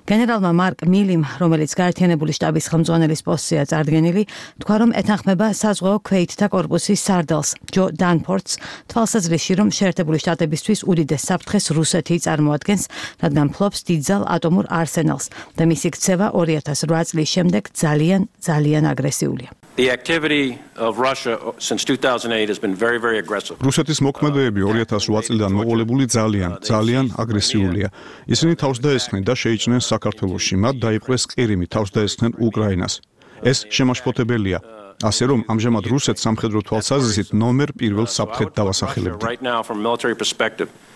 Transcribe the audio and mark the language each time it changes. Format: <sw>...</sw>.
<ka>გენერალმა მარკ მილიმ, რომელიც გაერთიანებული შტაბის ხელმძღვანელის პოსტზეა წარდგენილი, თქვა, რომ ეთანხმება საზღვაო ქვეითთა კორპუსის სარდალს ჯო დანფორდს თვალსაზრისში, რომ შეერთებული შტატებისთვის უდიდეს საფრთხეს რუსეთი წარმოადგენს, რადგან ფლობს დიდძალ ატომურ არსენალს და მისი ქცევა 2008 წლის შემდეგ ძალიან, ძალიან აგრესიულია.</ka> <en>The activity of Russia since 2008 has been very very aggressive.</en> <ka>რუსეთის მოქმედებები 2008 წლიდან მოყოლებული ძალიან ძალიან აგრესიულია. ისინი თავს დაესხნენ და შეიჭნენ საქართველოში, მათ დაიპყრეს ყირიმი, თავს დაესხნენ უკრაინას. ეს შემაშფოთებელია. ასე რომ ამჟამად რუსეთს სამხედრო თვალსაზრისით ნომერ პირველ საფრთხედ დავასახელებდა.</ka>